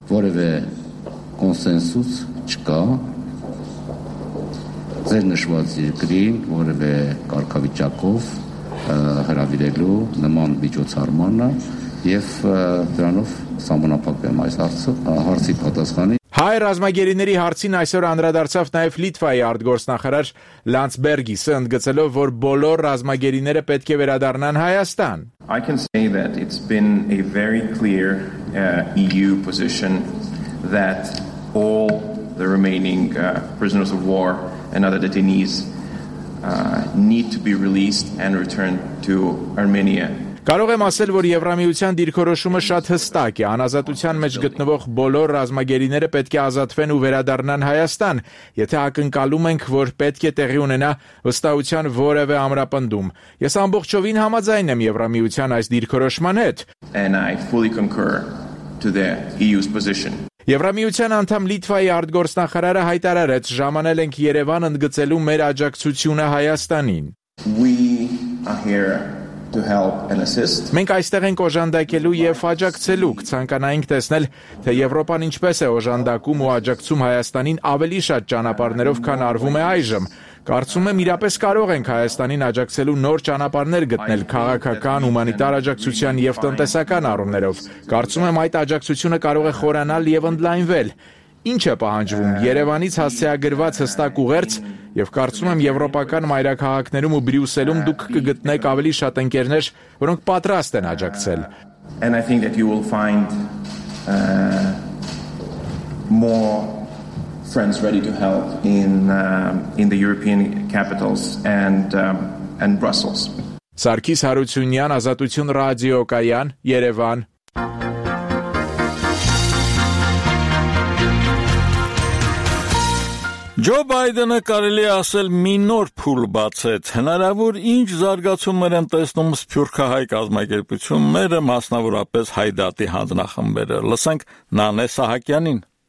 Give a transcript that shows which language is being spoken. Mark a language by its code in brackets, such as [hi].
[hy] Որևէ կոնսենսուս չկա ձեր նշված երկրին որևէ կարգավիճակով հրավիրելու նման միջոցառմանը և դրանով սահմանափակվում այս հարցի պատասխանի։ Հայ ռազմագերիների հարցին այսօր անդրադարձավ նաև Լիտվայի արտգործնախարար Լանցբերգիսը, ընդգծելով, որ բոլոր ռազմագերիները պետք է վերադառնան Հայաստան։ [en] I can say that it's been a very clear EU position that all the remaining prisoners of war and other detainees need to be released and returned to Armenia. [hy] Կարող եմ ասել, որ Եվրամիության դիրքորոշումը շատ հստակ է, անազատության մեջ գտնվող բոլոր ռազմագերիները պետք է ազատվեն ու վերադառնան Հայաստան, եթե ակնկալում ենք, որ պետք է տեղի ունենա վստահության որևէ ամրապնդում։ Ես ամբողջովին համաձայն եմ Եվրամիության այս դիրքորոշման հետ։ [en] And I fully concur to the EU's position. [hy] Եվրամիության անդամ Լիտվայի արտգործնախարարը հայտարարեց, ժամանել ենք Երևան ընդգծելու մեր աջակցությունը Հայաստանին։ [en] We are here to help and assist. [hy] Մենք այստեղ ենք օժանդակելու եւ աջակցելու, ցանկանայինք տեսնել, թե Եվրոպան ինչպես է օժանդակում ու աջակցում Հայաստանին ավելի շատ ճանապարներով, քան արվում է այժմ։ Կարծում եմ, իրապես կարող ենք Հայաստանին աջակցելու նոր ճանապարհներ գտնել քաղաքական, հումանիտար աջակցության և տնտեսական առումներով։ Կարծում եմ, այդ աջակցությունը կարող է խորանալ և ընդլայնվել։ Ինչ է պահանջվում Երևանից հասցեագրված հստակ ուղերձ, և կարծում եմ, եվրոպական մայրաքաղաքներում ու Բրյուսելում դուք կգտնեք ավելի շատ ընկերներ, որոնք պատրաստ են աջակցել։ [en] And I think that you will find more friends ready to help in the European capitals and Brussels. [hy] Սարգիս Հարությունյան, Ազատություն ռադիո, Կայան, Երևան։ Ջո Բայդենը կարելի ասել մի նոր փուլ բացեց, հնարավոր ինչ զարգացումներ են տեսնում սփյուռքահայ կազմակերպությունները, մասնավորապես Հայդատի հանձնախմբերը։ Լսենք Նանե Սահակյանին։